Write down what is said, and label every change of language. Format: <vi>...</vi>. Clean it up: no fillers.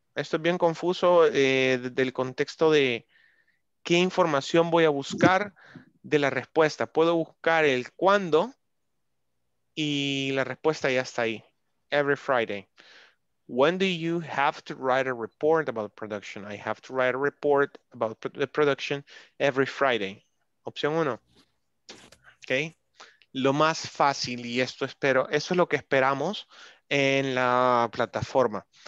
<es>Esto es bien confuso del contexto de qué información voy a buscar de la respuesta. Puedo buscar el cuándo y la respuesta ya está ahí.</es> <en>Every Friday. When do you have to write a report about production? I have to write a report about the production every Friday.</en> <es>Opción uno. Ok. Lo más fácil, y esto espero, eso es lo que esperamos en la plataforma.</es>